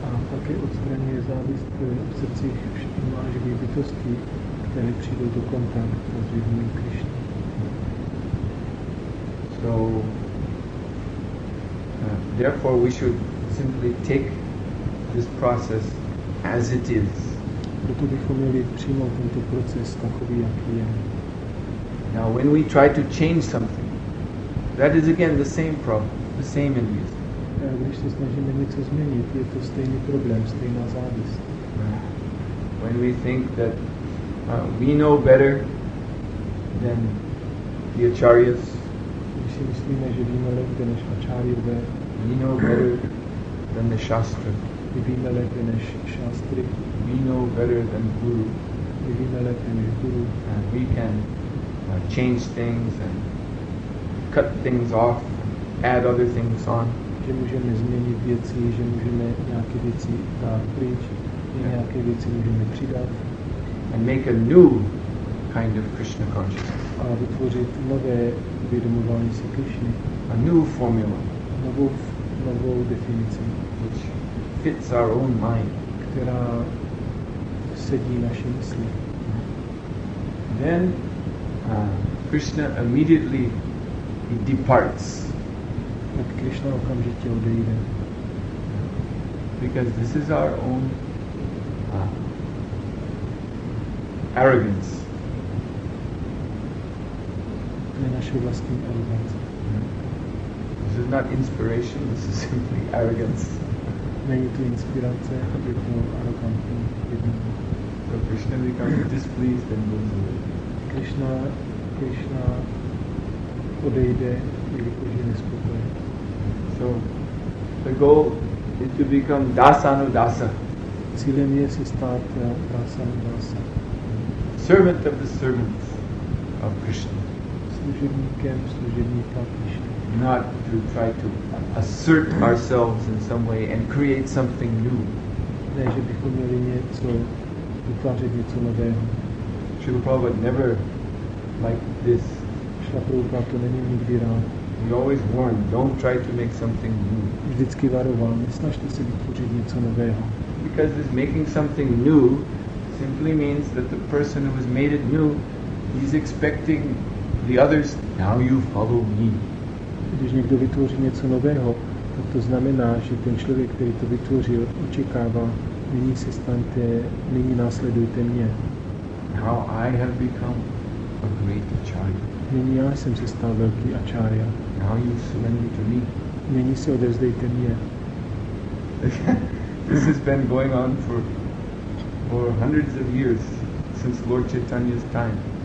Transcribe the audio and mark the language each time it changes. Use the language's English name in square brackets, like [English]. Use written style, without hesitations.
[Czech] Také odstraňuje závist v srdcích všech živých bytostí, které přijdou do kontaktu s živým Krišnou. [English] So, therefore we should simply take this process as it is. [Czech] Proto bychom měli přijmout tento proces takový, jaký je. [English] Now, when we try to change something, that is again the same problem, the same envious. [Czech] Když se snažíme něco změnit, je to stejný problém, stejná závist. [English] When we think that we know better than the acharyas, [Czech] když si myslíme, že víme lépe než acharyové, [English] we know better than the shastra, [Czech] my víme lépe než šastry, [English] we know better than guru, [Czech] my víme lépe než guru, [English] and we can change things and cut things off, add other things on. [Czech] Že můžeme změnit věci, že můžeme nějaké věci dát pryč, nějaké věci můžeme přidat. [English] And make a new kind of Krishna consciousness. [Czech] A vytvořit nové vědomování si Krishny. [English] A new formula. [Czech] Novou definici. [English] Which fits our own mind. [Czech] Která sedí naší mysli. [English] Then Krishna immediately he departs. [Czech] Tak Krishna okamžitě odejde. [English] Because this is our own arrogance. [Czech] To je naše vlastní arrogance. [English] This is not inspiration, this is simply arrogance. [Czech] Není to inspirace, je to arrogantní jednání. [English] So Krishna becomes displeased and moves away. [Czech] Krishna odejde, jelikož je nespokojen. [English] So the goal is to become dasanu dasa. [Czech] Cílem je se stát dasanu dasa. [English] Servant of the servants of Krishna. [Czech] Služebníkem služebníka Krishna. [English] Not to try to assert ourselves in some way and create something new. [Czech] Ne, že bychom měli něco vytvářet něco nového. [English] Srila Prabhupada never like this. [Czech] Srila Prabhupada to není nikdy rád. [English] He always warned, don't try to make something new. [Czech] Vždycky varoval, nesnažte se vytvořit něco nového. [English] Because this making something new simply means that the person who has made it new, he's expecting the others, now you follow me. [Czech] Když někdo vytvoří něco nového, tak to znamená, že ten člověk, který to vytvořil, očekává, nyní se staňte, nyní následujte mě. [English] Now I have become a great acharya. [Czech] Nyní já jsem se stal velký acharya. [English] Now you surrender to me. [Czech] Nyní se odevzdejte mě. [English] This has been going on for hundreds of years, since Lord Chaitanya's time.